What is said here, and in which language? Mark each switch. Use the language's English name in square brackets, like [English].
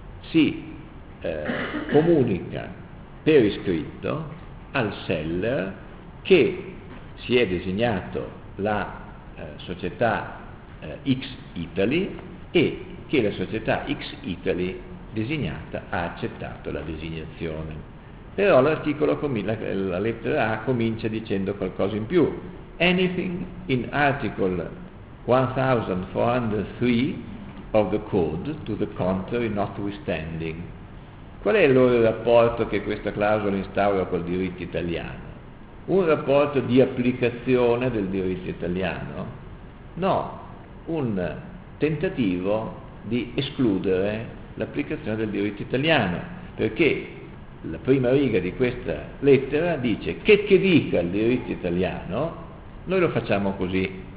[Italian] Si comunica per iscritto al seller che si è designato la società X Italy e che la società X Italy designata ha accettato la designazione. Però l'articolo, la lettera A comincia dicendo qualcosa in più. [English] Anything in article 1403 of the code to the contrary notwithstanding. [Italian] Qual è allora il rapporto che questa clausola instaura col diritto italiano? Un rapporto di applicazione del diritto italiano? No, un tentativo di escludere l'applicazione del diritto italiano, perché la prima riga di questa lettera dice che dica il diritto italiano, noi lo facciamo così.